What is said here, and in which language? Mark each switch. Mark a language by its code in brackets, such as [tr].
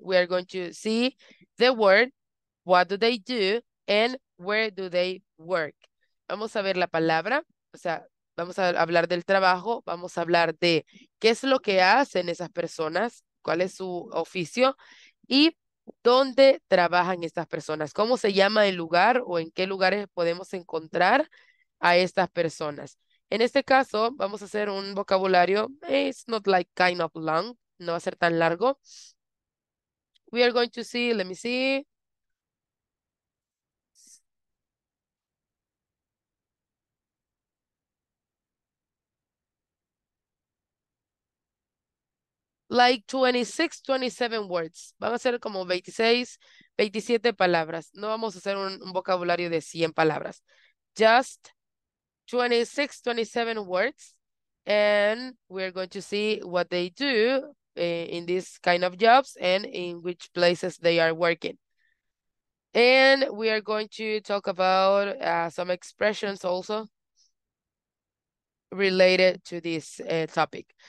[en] We are going to see the word, what do they do, and where do they work? [es] Vamos a ver la palabra, o sea, vamos a hablar del trabajo, vamos a hablar de qué es lo que hacen esas personas, cuál es su oficio, y ¿Dónde trabajan estas personas? ¿Cómo se llama el lugar o en qué lugares podemos encontrar a estas personas? En este caso, vamos a hacer un vocabulario. [en] It's not like kind of long. [es] No va a ser tan largo. [en] We are going to see. Let me see. Like 26, 27 words. [es] Van a ser como 26, 27 palabras. No vamos a hacer un vocabulario de 100 palabras. [en] Just 26, 27 words. And we're going to see what they do in this kind of jobs and in which places they are working. And we are going to talk about some expressions also related to this topic.